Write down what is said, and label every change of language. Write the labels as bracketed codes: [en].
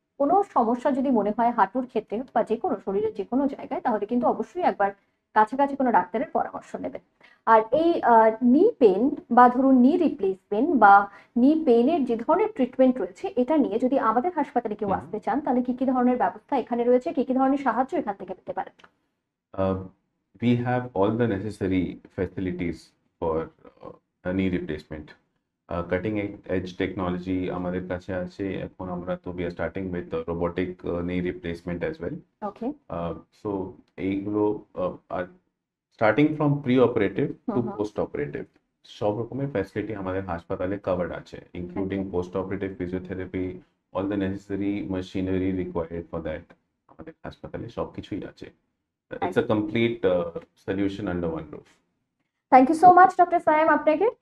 [bn] কোনো সমস্যা যদি মনে হয় হাঁটুর ক্ষেত্রে বা যে কোনো শরীরের যে কোনো জায়গায়, তাহলে কিন্তু অবশ্যই একবার কাছাকাছি কোনো ডাক্তারের পরামর্শ নেবেন। আর এই নি পেন বা ধরুন নি রিপ্লেসমেন্ট বা নি পেনের যে ধরনের ট্রিটমেন্ট রয়েছে, এটা নিয়ে যদি আমাদের হাসপাতালে কেউ আসতে চান, তাহলে কি কি ধরনের ব্যবস্থা এখানে রয়েছে, কি কি ধরনের সাহায্য এখান থেকে পেতে পারেন? [en] We have all the necessary facilities for a knee replacement. Cutting edge technology [bn] আমাদের কাছে আছে এখন, আমরা তো [en] we are starting with the robotic knee replacement as well. Okay. So [bn] এইগুলো [en] are starting from pre-operative to hmm post-operative. [bn] সব রকমের facility আমাদের হাসপাতালে কভার্ড আছে, including hmm [en] post-operative physiotherapy, all the necessary machinery required for that [bn] আমাদের হাসপাতালে সব কিছুই আছে। [en] It's a complete solution under one roof. Thank you so much doctor Sayem [bn] আপনাকে,